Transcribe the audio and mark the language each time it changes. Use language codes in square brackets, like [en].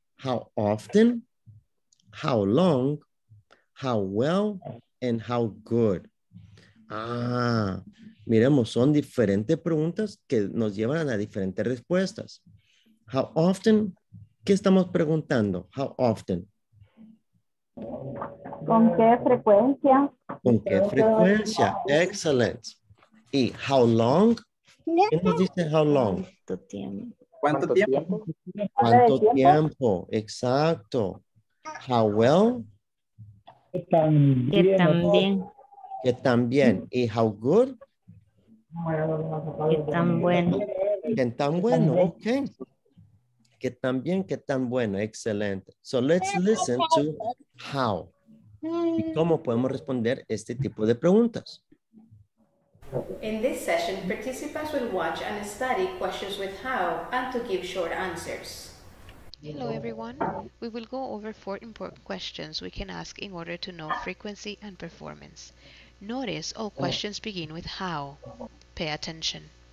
[en] How often, how long, how well, and how good. [es] Ah, miremos, son diferentes preguntas que nos llevan a diferentes respuestas. [en] How often, [es] ¿qué estamos preguntando? [en] How often. [es] ¿Con qué frecuencia? ¿Con qué frecuencia? Excellent. ¿Y how long? ¿Quién nos dice how long? ¿Cuánto tiempo? ¿Cuánto tiempo? Exacto. ¿How well? Que también. Que también. ¿Y how good? Que tan bueno. Que tan bueno, ok. Que también, que tan bueno, excelente. [en] So let's listen to how. [es] ¿Y cómo podemos responder este tipo de preguntas? [en] In this session, participants will watch and study questions with how and to give short answers. Hello everyone. We will go over four important questions we can ask in order to know frequency and performance. Notice all questions begin with how. Pay attention.